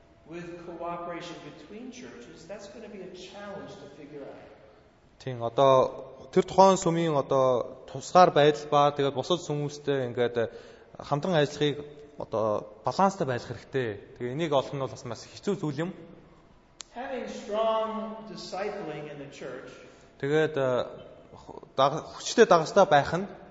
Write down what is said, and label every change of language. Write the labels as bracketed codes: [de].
[en] with cooperation between churches that's going to be a challenge to figure out. [mn] Тийм одоо тэр тухайн сүмийн одоо тусгаар байдал ба тэгээд бусад сүмүүстэй ингээд хамтран ажиллахыг одоо баланстай байх хэрэгтэй. Тэгээ энийг олох нь бол бас маш хэцүү зүйл юм. [en] Having strong discipling in the church. [mn] Тэгээд хүчтэй дагалттай байх нь